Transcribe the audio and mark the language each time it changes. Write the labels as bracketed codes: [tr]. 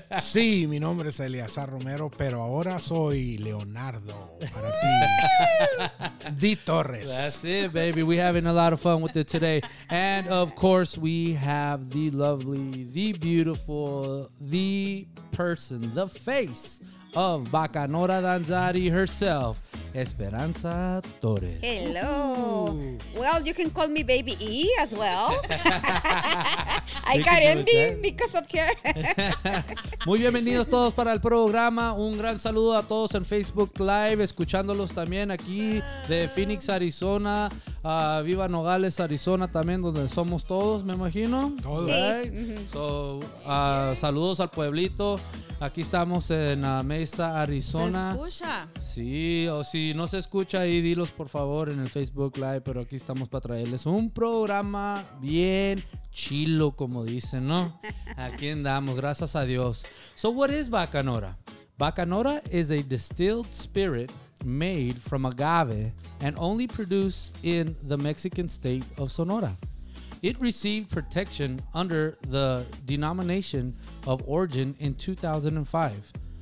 [es] Sí, mi nombre es Eliazar Romero, pero ahora soy Leonardo para ti. De Torres. [en] That's it, baby. We're having a lot of fun with it today. And, of course, we have the lovely, the beautiful, the person, the face of Bacanora Danzari herself, Esperanza Torres. Hello. Ooh. Well, you can call me Baby E as well. I got envy because of her. [es] Muy bienvenidos todos para el programa. Un gran saludo a todos en Facebook Live, escuchándolos también aquí de Phoenix, Arizona. Viva Nogales, Arizona, también donde somos todos, me imagino. Todos. Sí. Mm-hmm. So, saludos al pueblito. Aquí estamos en Mesa, Arizona. ¿Se escucha? Sí, o si no se escucha ahí, dilos por favor en el Facebook Live, pero aquí estamos para traerles un programa bien chilo, como dicen, ¿no? Aquí andamos, gracias a Dios. [en] So what is Bacanora? Bacanora is a distilled spirit made from agave and only produced in the Mexican state of Sonora. It received protection under the denomination of origin in 2005.